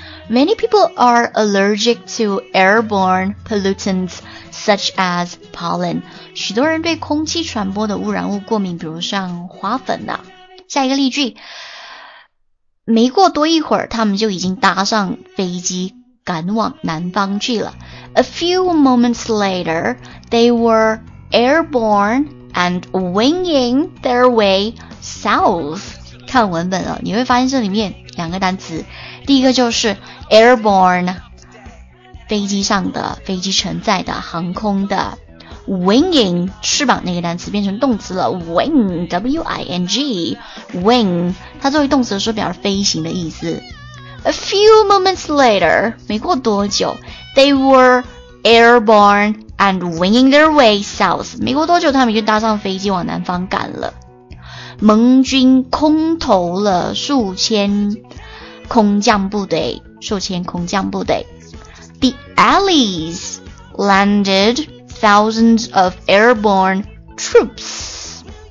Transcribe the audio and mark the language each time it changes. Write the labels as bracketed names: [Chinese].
[English] Many people are allergic to airborne pollutants such as pollen. [Chinese] 许多人对空气传播的污染物过敏，比如像花粉啊。下一个例句，没过多一会儿，他们就已经搭上飞机赶往南方去了。 [English] A few moments later, they were airborne and winging their way south. [Chinese] 看文本了，你会发现这里面两个单词，第一个就是 airborne, 飞机上的，飞机承载的，航空的， winging, 翅膀那个单词变成动词了， wing, W-I-N-G, wing, 它作为动词的时候表示飞行的意思。 [English] A few moments later, [Chinese] 没过多久， [English] they were airborne and winging their way south. [Chinese] 没过多久他们就搭上飞机往南方赶了。盟军空投了数千空降部队，数千空降部队。 [English] The Allies landed thousands of airborne troops.